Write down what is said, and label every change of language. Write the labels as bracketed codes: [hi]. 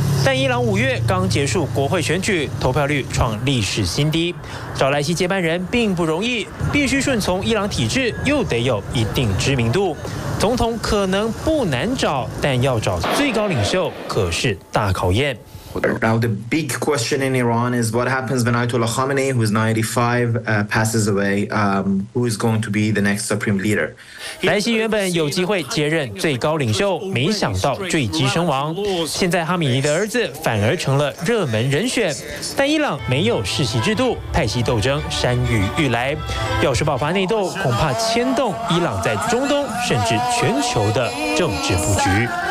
[zh] 但伊朗五月刚结束国会选举，投票率创历史新低，找莱西接班人并不容易，必须顺从伊朗体制，又得有一定知名度。总统可能不难找，但要找最高领袖可是大考验。 [en] Now the big question in Iran is what happens when Ayatollah Khamenei, who is 95, passes away. Who is going to be the next supreme leader? [zh] 莱西原本有机会接任最高领袖，没想到坠机身亡。现在哈米尼的儿子反而成了热门人选。但伊朗没有世袭制度，派系斗争山雨欲来。要是爆发内斗，恐怕牵动伊朗在中东甚至全球的政治布局。